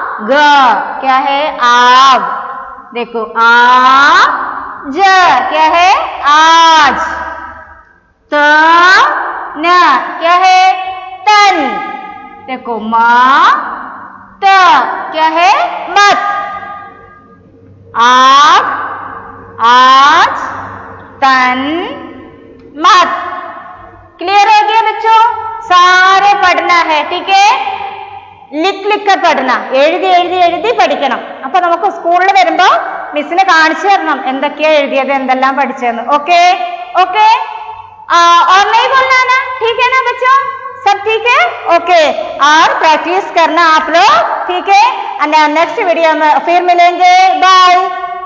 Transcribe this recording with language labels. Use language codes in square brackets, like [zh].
[hi] ग, क्या है आग, देखो आ ज, क्या है आज, त न, क्या है तन, देखो मा त, क्या है मत, आग आज तन मत, क्लियर हो गया बच्चों। सारे पढ़ना है ठीक है, लिख लिख कर पढ़ना, [ml] എഴുതി എഴുതി എഴുതി പഠിക്കണം। അപ്പൊ നമുക്ക് സ്കൂളിൽ വരുമ്പോ മിസ്സിനെ കാണിച്ചു തരണം എന്തൊക്കെയാ എഴുതിയത് എന്തെല്ലാം പഠിച്ചെന്ന്, ഓക്കെ ഓക്കെ। [hi] और नहीं बोलना ना, ठीक है ना बच्चों, सब ठीक है, ओके। और प्रैक्टिस करना आप लोग, ठीक है, नेक्स्ट वीडियो में फिर मिलेंगे, बाय।